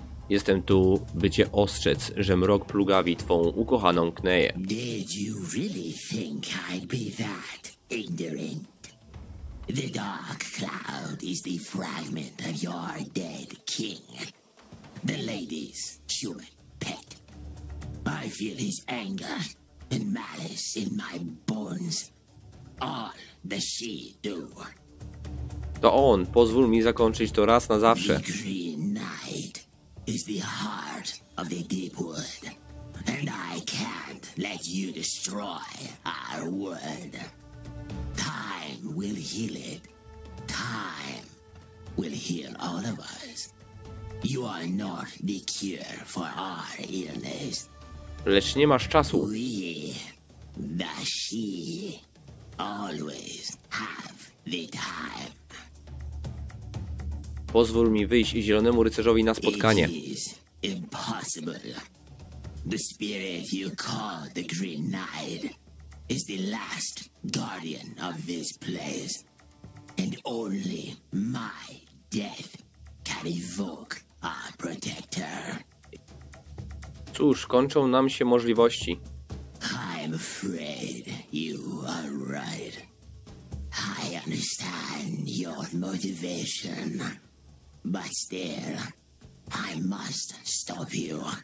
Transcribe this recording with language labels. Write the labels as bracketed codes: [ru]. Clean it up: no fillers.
[pl] Jestem tu, by cię ostrzec, że mrok plugawi twą ukochaną Kneję. [en] Did you really think I'd be that ignorant? The dark cloud is the fragment of your dead king. The lady's human pet. I feel his anger and malice in my bones. All the she do. [pl] To on, pozwól mi zakończyć to raz na zawsze. [en] The Green Knight is the heart of the deep wood. And I can't let you destroy our world. Time will heal it. Time will heal all of us. You are not the cure for our illness. [pl] Lecz nie masz czasu. [en] We, the she, always have the time. [pl] Pozwól mi wyjść Zielonemu Rycerzowi na spotkanie. [en] It is impossible. The spirit you call the Green Knight is the last guardian of this place. And only my death can evoke our protector. [pl] Cóż, kończą nam się możliwości. [en] I'm afraid you are right. I understand your motivation. But still, I must stop you.